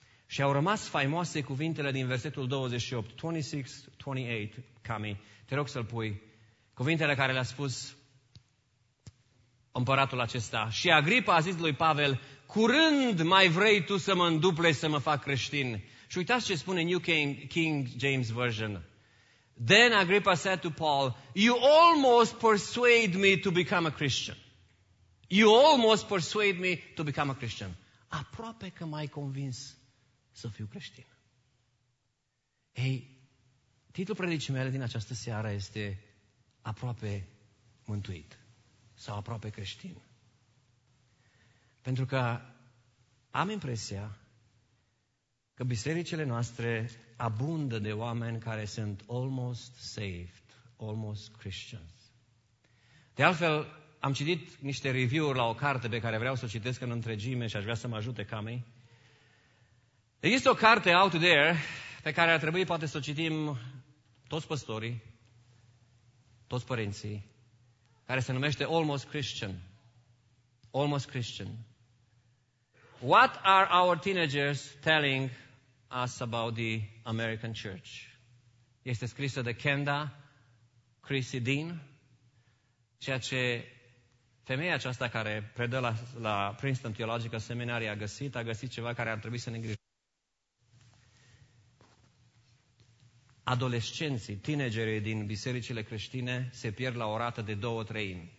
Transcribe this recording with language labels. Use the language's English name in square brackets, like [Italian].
[Romanian] Și au rămas faimoase cuvintele din versetul 28. 26-28, Cami, te rog să-l pui. Cuvintele care le-a spus împăratul acesta. Și Agripa a zis lui Pavel: curând mai vrei tu să mă înduple să mă fac creștin? Și uitați ce spune New King James Version. [English] Then Agripa said to Paul, you almost persuade me to become a Christian. You almost persuade me to become a Christian. [Romanian] Aproape că m-ai convins să fiu creștin. Ei, Titlul predicii mele din această seară este aproape mântuit sau aproape creștin. Pentru că am impresia că bisericile noastre abundă de oameni care sunt almost saved, almost Christians. De altfel, am citit niște review-uri la o carte pe care vreau să o citesc în întregime și aș vrea să mă ajute Camei. Există o carte out there pe care ar trebui poate să o citim toți păstorii, toți părinții, care se numește Almost Christian. [English] Almost Christian. What are our teenagers telling us about the American church? [Romanian] Este scrisă de Kenda Chrissy Dean, ceea ce femeia aceasta care predă la Princeton Theological Seminary a găsit ceva care ar trebui să ne îngrijească. Adolescenții, tinerii din bisericile creștine se pierd la o rată de 2-3 ani.